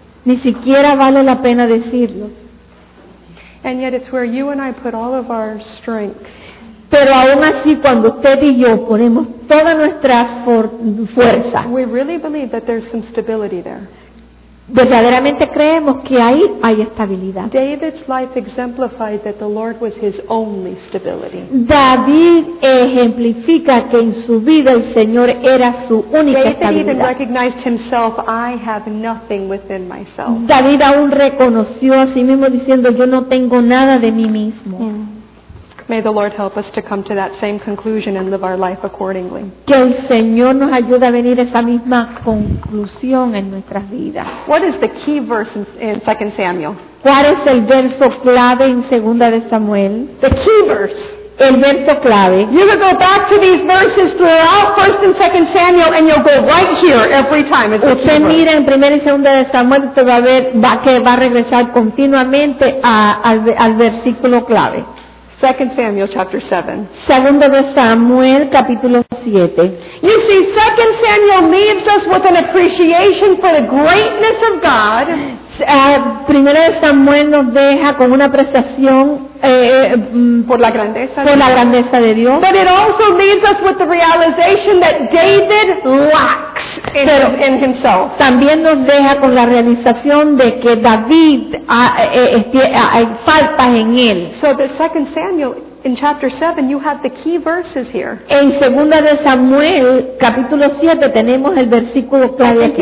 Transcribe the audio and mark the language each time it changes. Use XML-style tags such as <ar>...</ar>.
<es>Ni siquiera vale la pena decirlo.</es> <en>And yet it's where you and I put all of our strength.</en> <es>Pero aún así, cuando usted y yo ponemos toda nuestra fuerza,</es> <en>we really believe that there's some stability there.</en> <es>Verdaderamente creemos que ahí hay estabilidad.</es> <en>David's life exemplified that the Lord was his only stability.</en> <es>David ejemplifica que en su vida el Señor era su única estabilidad.</es> <en>David even recognized himself, I have nothing within myself.</en> <es>David aún reconoció a sí mismo diciendo, yo no tengo nada de mí mismo.</es> <en>May the Lord help us to come to that same conclusion and live our life accordingly.</en> <es>Que el Señor nos ayude a venir a esa misma conclusión en nuestras vidas.</es> <en>What is the key verse in 2 Samuel?</en> <es>¿Cuál es el verso clave en 2 de Samuel?</es> <en>The key verse.</en> <es>El verso clave.</es> <en>You can go back to these verses throughout 1 and 2 Samuel and you'll go right here every time. It's</en> <es>usted mira en 1 y 2 de Samuel, usted va a ver que va a regresar continuamente al versículo clave.</es> <en>2 Samuel chapter 7.</en> <es>Segundo de Samuel capítulo 7.</es> <en>You see, 2 Samuel leaves us with an appreciation for the greatness of God.</en> <es>Primero de Samuel nos deja con una apreciación por la grandeza de Dios.</es> <en>But it also leaves us with the realization that David lacks in himself.</en> <es>También nos deja con la realización de que David hay faltas en él.</es> <en>So the 2 Samuel in chapter 7 you have the key verses here.</en> <es>En 2 de Samuel capítulo 7 tenemos el versículo clave aquí.</es>